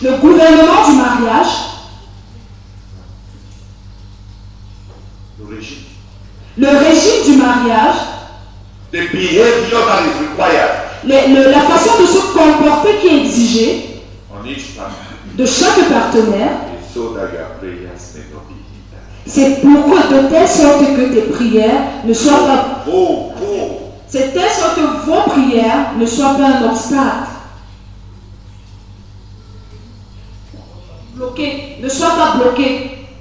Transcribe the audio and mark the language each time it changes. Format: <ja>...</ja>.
<fr>Le gouvernement du mariage. Le régime. Le régime du mariage.</fr> <en>The behavior that is required.</en> <fr>La façon de se comporter qui est exigée.</fr> <en>On each partner.</en> <fr>De chaque partenaire.</fr> <en>So that your prayers may not be hindered.</en> <fr>C'est pourquoi de telle sorte que tes prières ne soient pas. Oh, oh. C'est telle sorte que vos prières ne soient pas un obstacle. Bloqué, ne sois pas bloqué.</fr>